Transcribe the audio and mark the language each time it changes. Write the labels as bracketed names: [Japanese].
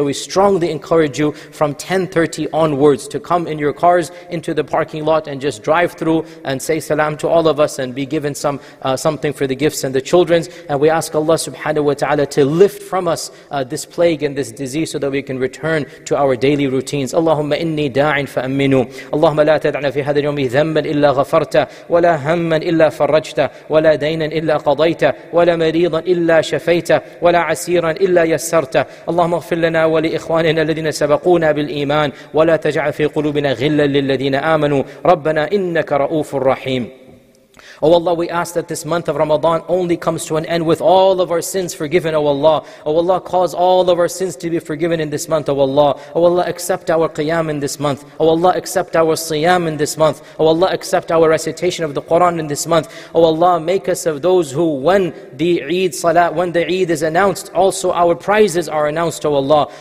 [English] So we strongly encourage you from 10:30 onwards to come in your cars into the parking lot and just drive through and say salam to all of us and be given something for the gifts and the children's. And we ask Allah subhanahu wa ta'ala to lift from us this plague and this disease so that we can return to our daily routines. [Arabic] Allahumma inni da'in fa'aminu. Allahumma la tad'ana fi hadha al-yawmi dhamman illa ghafarta wa la hamman illa فرجت ولا دينا إلا قضيت ولا مريضا إلا شفيت ولا عسيرا إلا يسرت اللهم اغفر لنا ولإخواننا الذين سبقونا بالإيمان ولا تجعل في قلوبنا غلا للذين آمنوا ربنا إنك رؤوف رحيم. [English] Oh Allah, we ask that this month of Ramadan only comes to an end with all of our sins forgiven, oh Allah. Oh Allah, cause all of our sins to be forgiven in this month, oh Allah. Oh Allah, accept our qiyam in this month. Oh Allah, accept our siyam in this month. Oh Allah, accept our recitation of the Quran in this month. Oh Allah, make us of those who when the Eid salat, when the Eid is announced, also our prizes are announced, oh Allah.